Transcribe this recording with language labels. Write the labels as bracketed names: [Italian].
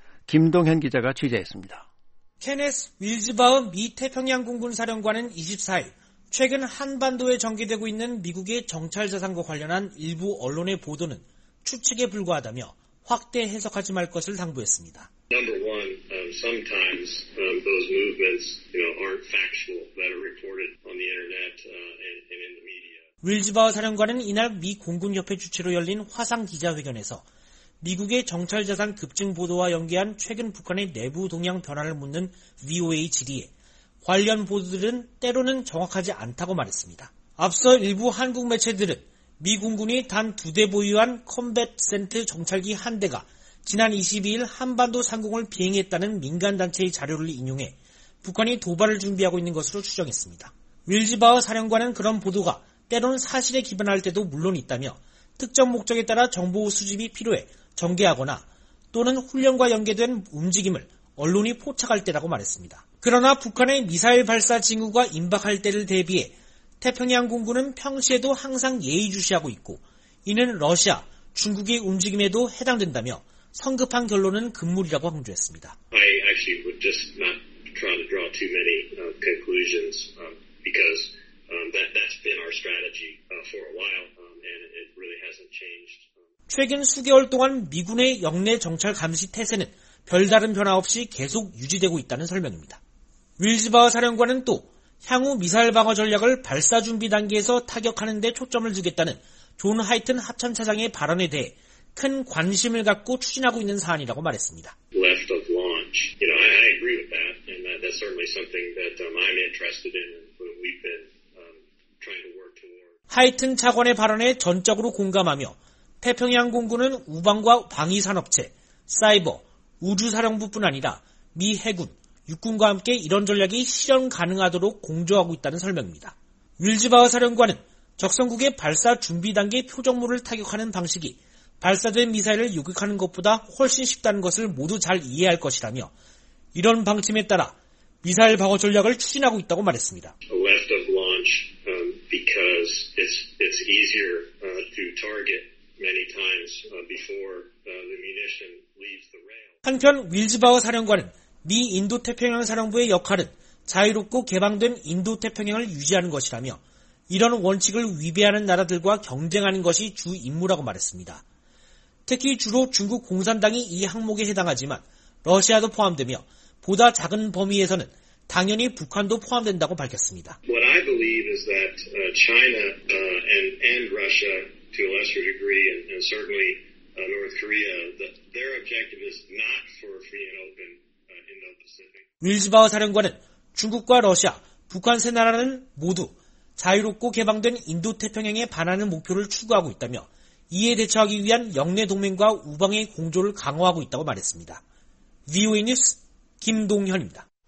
[Korean] 김동현 기자가 취재했습니다. 케네스 윌즈바흐 미 태평양 공군사령관은 24일 최근 한반도에 전개되고 있는 미국의 정찰 자산과 관련한 일부 언론의 보도는 추측에 불과하다며 확대 해석하지 말 것을 당부했습니다. [English] Number one, sometimes those movements, you know, aren't factual that are reported on the internet and in the media. [Korean] 윌즈바흐 사령관은 이날 미 공군협회 주최로 열린 화상 기자회견에서 미국의 정찰 자산 급증 보도와 연계한 최근 북한의 내부 동향 변화를 묻는 VOA 질의에 관련 보도들은 때로는 정확하지 않다고 말했습니다. 앞서 일부 한국 매체들은 미 공군이 단 두 대 보유한 컴뱃 센트 정찰기 한 대가 지난 22일 한반도 상공을 비행했다는 민간단체의 자료를 인용해 북한이 도발을 준비하고 있는 것으로 추정했습니다. 윌즈바흐 사령관은 그런 보도가 때로는 사실에 기반할 때도 물론 있다며 특정 목적에 따라 정보 수집이 필요해 전개하거나 또는 훈련과 연계된 움직임을 언론이 포착할 때라고 말했습니다. 그러나 북한의 미사일 발사 징후가 임박할 때를 대비해 태평양 공군은 평시에도 항상 예의주시하고 있고 이는 러시아, 중국의 움직임에도 해당된다며 성급한 결론은 금물이라고 강조했습니다. [English] I actually would just not try to draw too many conclusions because that's been our strategy for a while and it really hasn't changed. [Korean] 최근 수개월 동안 미군의 영내 정찰 감시 태세는 별다른 변화 없이 계속 유지되고 있다는 설명입니다. 윌즈바흐 사령관은 또 향후 미사일 방어 전략을 발사 준비 단계에서 타격하는 데 초점을 두겠다는 존 하이튼 합참차장의 발언에 대해 큰 관심을 갖고 추진하고 있는 사안이라고 말했습니다. [English] Left of launch. You know, I agree with that. And that's certainly something that I'm interested in when we've been trying to work toward. [Korean] 하이튼 차관의 발언에 전적으로 공감하며 태평양 공군은 우방과 방위 산업체, 사이버, 우주사령부뿐 아니라 미 해군, 육군과 함께 이런 전략이 실현 가능하도록 공조하고 있다는 설명입니다. 윌즈바흐 사령관은 적성국의 발사 준비 단계 표적물을 타격하는 방식이 발사된 미사일을 요격하는 것보다 훨씬 쉽다는 것을 모두 잘 이해할 것이라며 이런 방침에 따라 미사일 방어 전략을 추진하고 있다고 말했습니다. [English] Left of launch because it's easier to target many times before the munition leaves the rail. [Korean] 한편 윌즈바흐 사령관은 미 인도태평양 사령부의 역할은 자유롭고 개방된 인도태평양을 유지하는 것이라며 이런 원칙을 위배하는 나라들과 경쟁하는 것이 주 임무라고 말했습니다. 특히 주로 중국 공산당이 이 항목에 해당하지만 러시아도 포함되며 보다 작은 범위에서는 당연히 북한도 포함된다고 밝혔습니다. [English] What I believe is that China and Russia to a lesser degree and certainly North Korea, their objective is not for free and open. [Korean] 윌즈바흐 사령관은 중국과 러시아, 북한 세 나라는 모두 자유롭고 개방된 인도태평양에 반하는 목표를 추구하고 있다며 이에 대처하기 위한 영내 동맹과 우방의 공조를 강화하고 있다고 말했습니다. VOA 뉴스 김동현입니다.